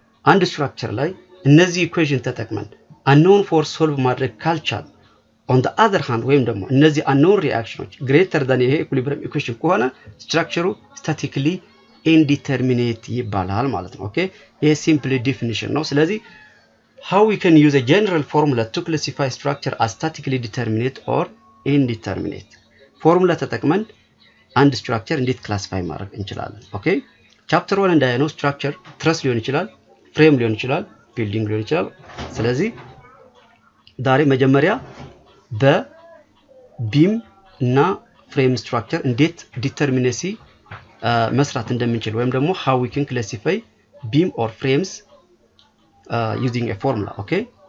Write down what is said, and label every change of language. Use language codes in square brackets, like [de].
[am] አንድ structure ላይ እነዚህ equation ተጠቅመን unknown force solve ማድረግ ካልቻል, [en] on the other hand, [am] ወይም ደግሞ እነዚህ unknown reactionዎች [en] greater than the equilibrium equation [am] ከሆነ structure statically indeterminate ይባላል ማለት ነው. Okay? ይሄ simply definition ነው. ስለዚህ [en] how we can use a general formula to classify structure as statically determinate or indeterminate? [am] Formula ተጠቅመን አንድ structure እንዴት classify ማድረግ እንችላለን? Okay? Chapter 1 እንዳየነው structure truss ሊሆን ይችላል, frame ሊሆን ይችላል, building ሊሆን ይችላል. ስለዚህ ዛሬ መጀመሪያ በbeam እና frame structure እንዴት determinacy መስራት እንደምንችል ወይም ደግሞ [en] how we can classify beam or frames using a formula. Okay?